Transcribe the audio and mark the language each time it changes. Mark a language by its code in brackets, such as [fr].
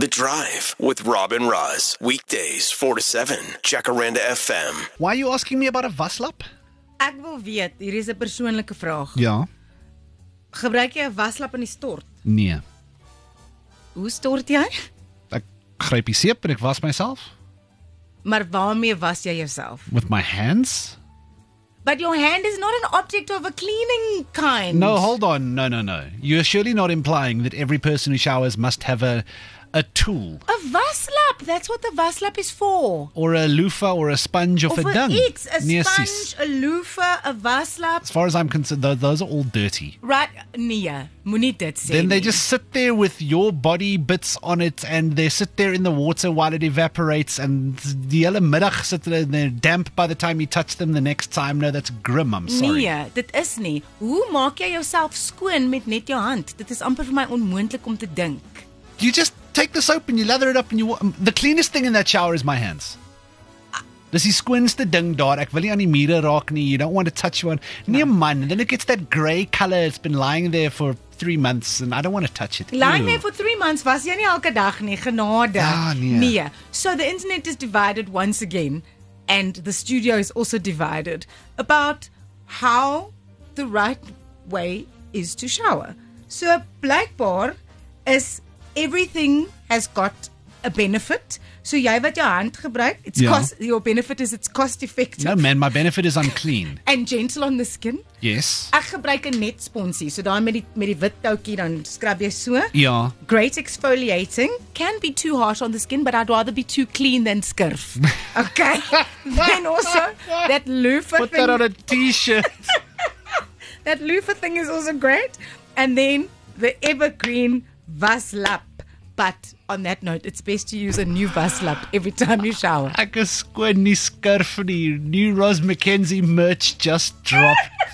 [en] The Drive with Rob and Roz. Weekdays, 4 to 7. Jacaranda FM. Why are you asking me about a waslap? [af] Ek wil weet, hier is 'n persoonlike vraag. Ja. Gebruik jy 'n waslap in die stort? Nee. Hoe stort jy? Ek gryp die seep en ek was myself. Maar waarmee was jy jouself? [en] With my hands? But your hand is not an object of a cleaning kind. No, hold on. No. You're surely not implying that every person who showers must have a tool. A waslap. That's what the waslap is for. Or a loofah or a sponge or for dung. A loofah, a waslap. As far as I'm concerned, those are all dirty. [af] Right, Nia. Moenie dit sê. [en] Then they just sit there with your body bits on it and they sit there in the water while it evaporates and [af] die hele middag sit hulle [en] and they're damp by the time you touch them the next time. No, that's grim, I'm sorry. [af] Nia, dit is nie. Hoe maak jy jouself skoon met net jou hand? Dit is amper vir my onmoontlik om te dink. [en] You just take the soap and you lather it up and you... The cleanest thing in that shower is my hands. [af] Dis die skoonste ding daar. Ek wil nie aan die mure raak nie. [en] You don't want to touch one. [af] Nee, man. [en] Then it gets that grey colour. It's been lying there for 3 months and I don't want to touch it. Lying there for 3 months [af] was jy nie elke dag nie. Genade. Ah, nee. Nee. [en] So the internet is divided once again and the studio is also divided about how the right way is to shower. [af] So blijkbaar is... [en] Everything has got a benefit. [af] So jy wat jou hand gebruik, [en] it's cost effective. No man, my benefit is unclean. And gentle on the skin. Yes. [af] Ek gebruik 'n net sponsie. So daai met die wit toukie dan skrap jy so. Ja. [en] Great exfoliating. Can be too harsh on the skin, but I'd rather be too clean than skurf. Okay. Then also that loofah thing. Put that on a t-shirt. That loofah thing is also great. And then the evergreen waslap, but on that note, it's best to use a new waslap every time you shower. [af] Ek is skoon nie skurf nie. [en] New Roz McKenzie merch just dropped.